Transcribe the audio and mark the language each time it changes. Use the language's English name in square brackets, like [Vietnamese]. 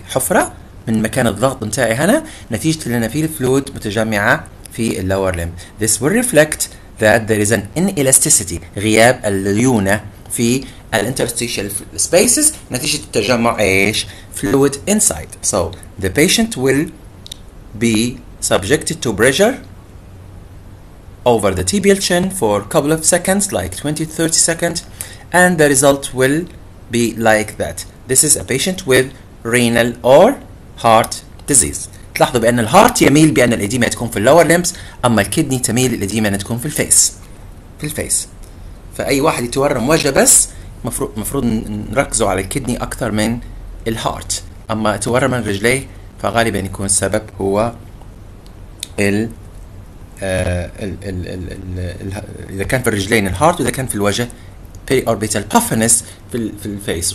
[Arabic] حفرة من مكان الضغط بتاعي هنا نتيجة لأن فيه الفلود متجمعة في اللور لم. [English] This will reflect that there is an inelasticity [Arabic] غياب الليونة في الانترستيشال سبيسز نتيجة التجمع ايش فلود [English] inside. So the patient will be subjected to pressure over the tibial chin for couple of seconds like 20-30 seconds and the result will be like that. This is a patient with renal or heart disease. [Arabic] تلاحظوا بأن الهارت يميل بأن الإديمة تكون في اللور لمبس، أما الكدني تميل الإديمة أن تكون في الفيس. في الفيس. فأي واحد يتورم وجهه بس مفروض نركزوا على الكدني أكثر من الهارت. أما تورم من رجليه فغالبا يكون السبب هو إذا كان في الرجلين الهارت، وإذا كان في الوجه periorbital puffiness في الفيس.